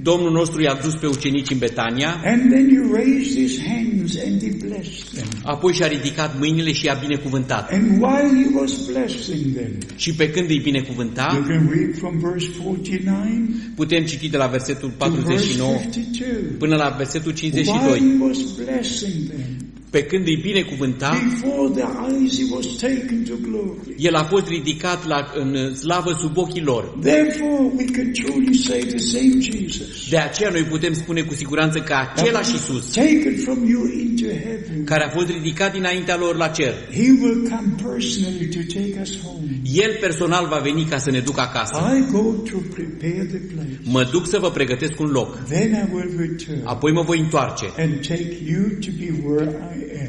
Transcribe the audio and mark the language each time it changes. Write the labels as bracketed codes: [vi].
[ro] Domnul nostru i-a dus pe ucenici în Betania. [en] And then he raised his hands and he blessed them. [ro] Apoi și-a ridicat mâinile și i-a binecuvântat. [en] And while he was blessing them, [ro] și pe când îi binecuvânta, [en] you can read from verse 49, [ro] putem citi de la versetul 49 [en] to verse 52, [ro] până la versetul 52. [en] While he was blessing them, [ro] pe când îi binecuvânta, [en] before their eyes he was taken to glory. [ro] El a fost ridicat la, în slavă sub ochii lor. [en] Therefore, we can truly say the same Jesus. [ro] De aceea noi putem spune cu siguranță că același Iisus, [en] taken from you into heaven, [ro] care a fost ridicat dinaintea lor la cer, [en] he will come personally to take us home. [ro] El personal va veni ca să ne ducă acasă. [en] I go to prepare the place. [ro] Mă duc să vă pregătesc un loc. [en] Then I will return. [ro] Apoi mă voi întoarce. [en] And take you to be where I am.